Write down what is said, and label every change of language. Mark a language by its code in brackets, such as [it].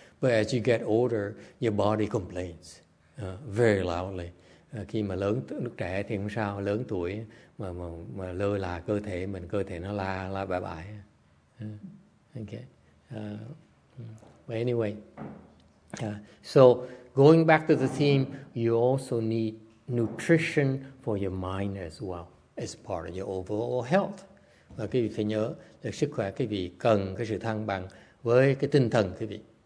[en] But as you get older, your body complains very loudly. [vi] Khi mà lớn lúc trẻ thì không sao, lớn tuổi mà lơ là cơ thể nó la bài bài. [en] But anyway, so going back to the theme, you also need nutrition for your mind as well as part of your overall health. [vi] Và quý vị phải nhớ là sức khỏe quý vị cần cái sự thăng bằng với cái tinh thần quý vị.